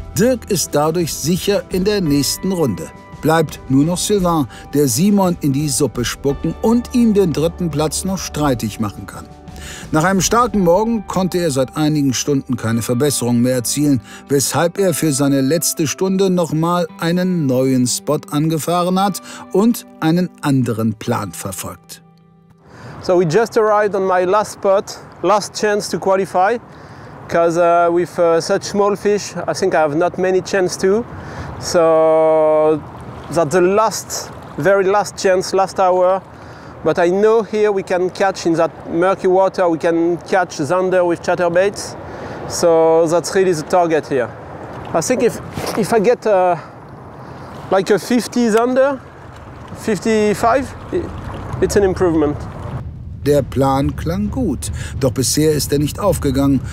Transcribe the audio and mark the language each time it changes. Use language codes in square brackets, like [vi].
[de] Dirk ist dadurch sicher in der nächsten Runde. Bleibt nur noch Sylvain, der Simon in die Suppe spucken und ihm den dritten Platz noch streitig machen kann. Nach einem starken Morgen konnte er seit einigen Stunden keine Verbesserung mehr erzielen, weshalb er für seine letzte Stunde nochmal einen neuen Spot angefahren hat und einen anderen Plan verfolgt. [en] So we just arrived on my last spot, last chance to qualify, because with such small fish, I think I have not many chance to. So that the last, very last chance, last hour. But I know here we can catch in that murky water, we can catch Zander with chatterbaits. So that's really the target here. I think if I get like a 50 Zander, 55, it's an improvement. [de] Der Plan klang gut, doch bisher ist er nicht aufgegangen.